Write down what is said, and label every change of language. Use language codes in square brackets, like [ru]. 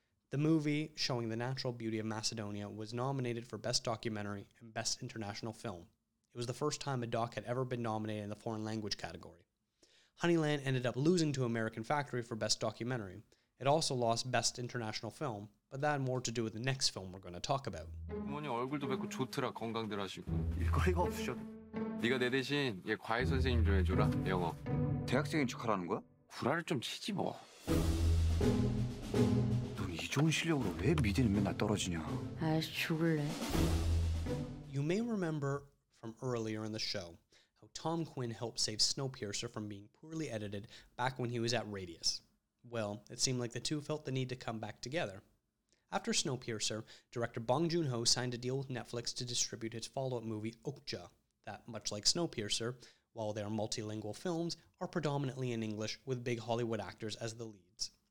[en] The movie, showing the natural beauty of Macedonia, was nominated for Best Documentary and Best International Film. It was the first time a doc had ever been nominated in the foreign language category. Honeyland ended up losing to American Factory for Best Documentary. It also lost Best International Film, but that had more to do with the next film we're going to talk about. [ko] 부모님 얼굴도 뵙고 좋더라, 건강들 하시고. 일거리가 없으셔도. 네가 내 대신 얘 과외 선생님 좀 해줘라, 영어. 대학생인 척하라는 거야? 구라를 좀 치지 뭐. 너 이 좋은 실력으로 왜 미대는 맨날 떨어지냐? 아, 죽을래. [en] You may remember from earlier in the show how Tom Quinn helped save Snowpiercer from being poorly edited back when he was at Radius. Well, it seemed like the two felt the need to come back together. After Snowpiercer, director Bong Joon-ho signed a deal with Netflix to distribute his follow-up movie Okja, that, much like Snowpiercer, while they are multilingual films, are predominantly in English with big Hollywood actors as the leads.